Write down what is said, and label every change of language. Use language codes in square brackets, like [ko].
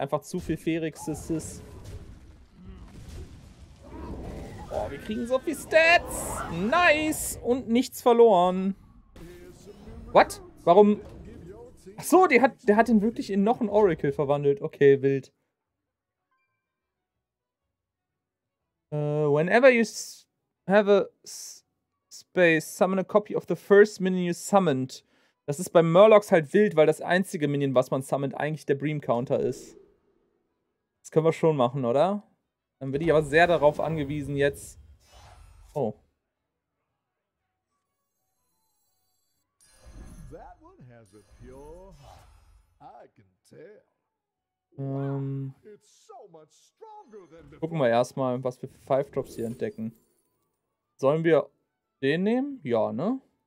[de] Einfach zu viel Ferixis. Oh, wir kriegen so viel Stats. Nice. Und nichts verloren. [en] What? [de] Warum? Achso, der hat ihn wirklich in noch ein Oracle verwandelt. Okay, wild. [en] Whenever you have a space, summon a copy of the first minion you summoned. [de] Das ist bei Murlocs halt wild, weil das einzige Minion, was man summoned, eigentlich der Bream Counter ist. Das können wir schon machen, oder? Dann bin ich aber sehr darauf angewiesen jetzt. Oh. [en] That one has a pure heart. I can tell. [de] Gucken wir erstmal, was wir für 5 Drops hier entdecken. Sollen wir den nehmen? Ja, ne?